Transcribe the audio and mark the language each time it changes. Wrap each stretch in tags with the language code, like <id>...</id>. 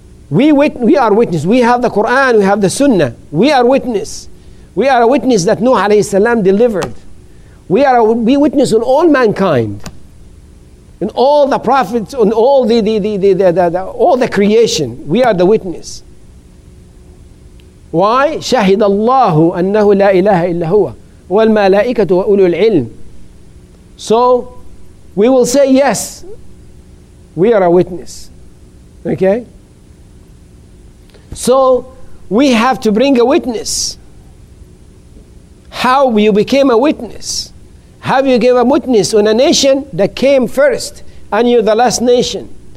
<en>We are witness. We have the Quran, we have the Sunnah. We are witness. We are a witness that Nuh alayhi salam delivered. We witness on all mankind, in all the prophets, on all the creation. We are the witness. Why?</en> <ar>شهد الله أنه لا إله إلا هو والملائكة وأولو العلم.</ar> <en>So we will say yes, we are a witness. Okay? So we have to bring a witness. How you became a witness? Have you given a witness on a nation that came first and you're the last nation?</en>